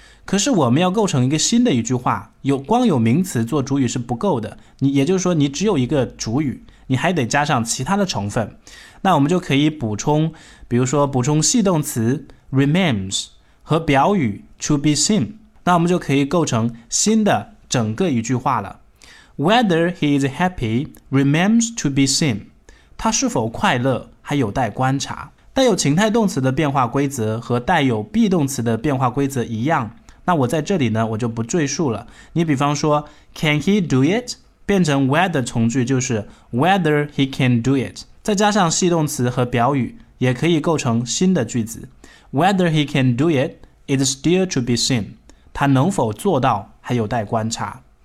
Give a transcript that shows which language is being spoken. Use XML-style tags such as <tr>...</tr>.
<zh>可是我们要构成一个新的一句话，有光有名词做主语是不够的，你也就是说你只有一个主语，你还得加上其他的成分。那我们就可以补充，比如说补充系动词 remains 和表语 to be seen， 那我们就可以构成新的整个一句话了。</zh> <en>whether he is happy remains to be seen，</en> <zh>他是否快乐还有待观察。带有情态动词的变化规则和带有 be 动词的变化规则一样，那我在这里呢我就不赘述了。你比方说</zh> <en>can he do it</en> <zh>变成 whether 从句就是</zh> <en>whether he can do it，</en> <zh>再加上系动词和表语也可以构成新的句子，</zh> <en>whether he can do it is still to be seen，</en> <zh>他能否做到还有待观察。</zh>